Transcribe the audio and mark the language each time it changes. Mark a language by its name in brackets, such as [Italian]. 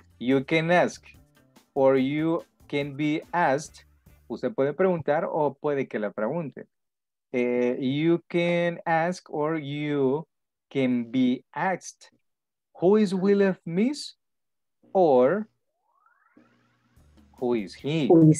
[English] You can ask, or you can be asked. [Spanish] Usted puede preguntar o puede que la pregunte. [English] You can ask or you can be asked, who is Will Smith or who is he?